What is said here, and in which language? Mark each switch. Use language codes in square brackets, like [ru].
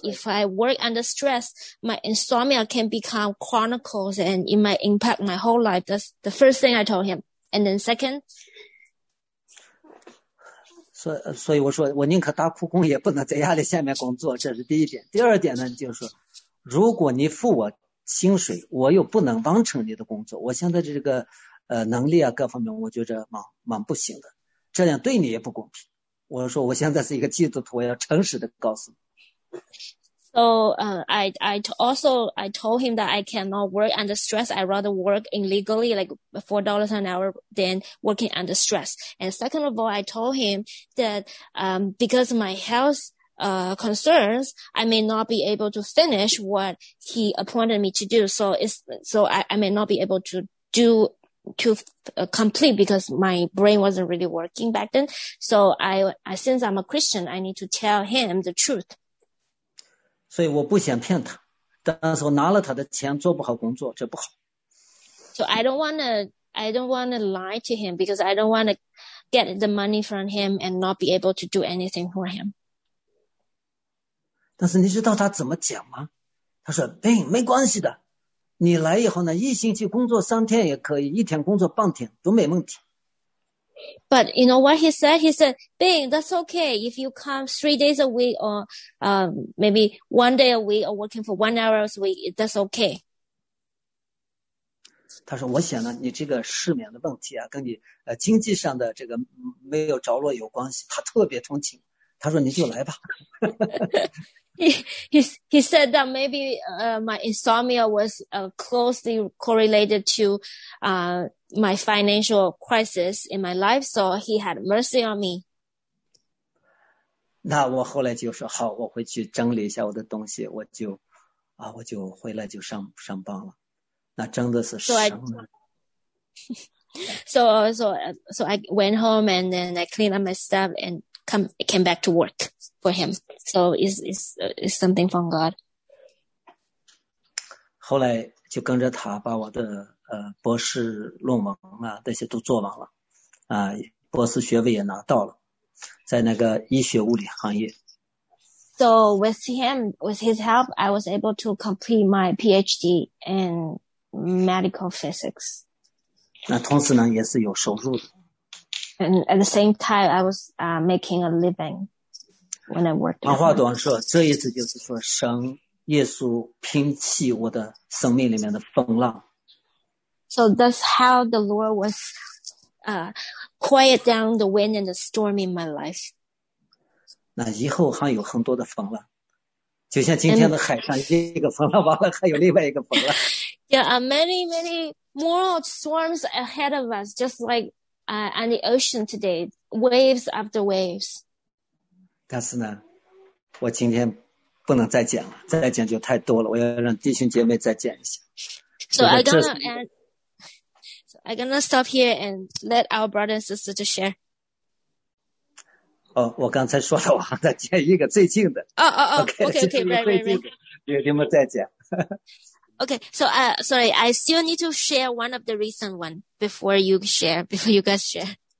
[en] If I work under stress, my insomnia can become chronic and it might impact my whole life. That's the first thing I told him. And then second, [zh] 所以我说我宁可打苦工也不能在压力下面工作，这是第一点。第二点呢，就是如果你付我薪水，我又不能完成你的工作，我现在这个能力啊各方面我觉得蛮不行的，这样对你也不公平。我说我现在是一个基督徒，我要诚实的告诉你。 [en] So, I told him that I cannot work under stress. I'd rather work illegally, like $4 an hour, than working under stress. And second of all, I told him that, because of my health, concerns, I may not be able to finish what he appointed me to do. So I may not be able to do, to complete because my brain wasn't really working back then. So I, since I'm a Christian, I need to tell him the truth. [zh] 所以我不想骗他，但是我拿了他的钱做不好工作，这不好。 [en] So I don't wanna lie to him because I don't wanna get the money from him and not be able to do anything for him. [zh] 但是你知道他怎么讲吗？他说：“哎，没关系的，你来以后呢，一星期工作三天也可以，一天工作半天都没问题。” [en] But you know what he said? He said, "Bing, that's okay. If you come 3 days a week or maybe one day a week or working for 1 hour a week, that's okay." [zh] 他说我想呢，你这个失眠的问题啊，跟你经济上的这个没有着落有关系。他特别同情，他说你就来吧。 [en] He said that maybe my insomnia was closely correlated to my financial crisis in my life, so he had mercy on me. [zh] 那我后来就说好，我回去整理一下我的东西，我就回来就上班了。那真的是什么？ [en] So I went home and then I cleaned up my stuff and came back to work. For him, so it's something from God. [zh] 后来就跟着他把我的博士论文啊那些都做完了，啊博士学位也拿到了，在那个医学物理行业。 [en] So with him, with his help, I was able to complete my PhD in medical physics. [zh] 那同时呢也是有收入的。 [en] And at the same time, I was making a living. When I worked, [zh] 长话短说，这意思就是说，神耶稣摒弃我的生命里面的风浪。 [en] So that's how the Lord was, quiet down the wind and the storm in my life. [zh] 那以后还有很多的风浪，就像今天的海上一个风浪完了，还有另外一个风浪。 [en] Yeah, are many, many more storms ahead of us, just like on the ocean today, waves after waves. [zh] 但是呢，我今天不能再讲了，再讲就太多了。我要让弟兄姐妹再讲一下。 [en] So I'm gonna stop here and let our brother and sister to share. [zh] 哦，我刚才说了，我还在讲一个最近的。 [en] OK, right. [zh] 弟兄们再讲。 [en] Okay, so sorry, I still need to share one of the recent one before you guys share.